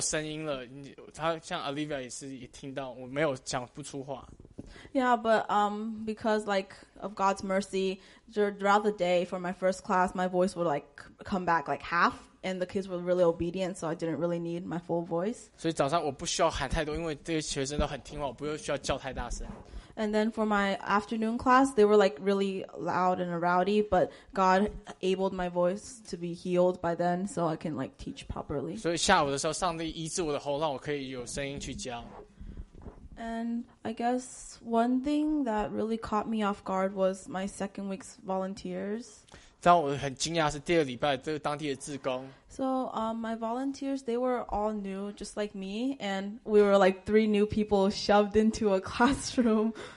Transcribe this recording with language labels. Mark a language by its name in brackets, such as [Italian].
[Chinese] 所以有时候她起来，我起来的时候，我发现我没有声音了。她像 Olivia 也是也听到我没有讲不出话。 [English] Yeah, but because like of God's mercy, throughout the day for my first class, my voice would like come back like half. And the kids were really obedient, so I didn't really need my full voice. [Chinese] 所以早上我不需要喊太多，因为这些学生都很听话，我不需要叫太大声。 [English] And then for my afternoon class, they were like really loud and rowdy, but God enabled my voice to be healed by then, so I can like teach properly. [Chinese] 所以下午的时候，上帝医治我的喉咙，我可以有声音去教。 [English] And I guess one thing that really caught me off guard was my second week's volunteers. [Chinese] 让我很惊讶是第二礼拜这个当地的志工。 [English] So my volunteers, they were all new, just like me, and we were like three new people shoved into a classroom.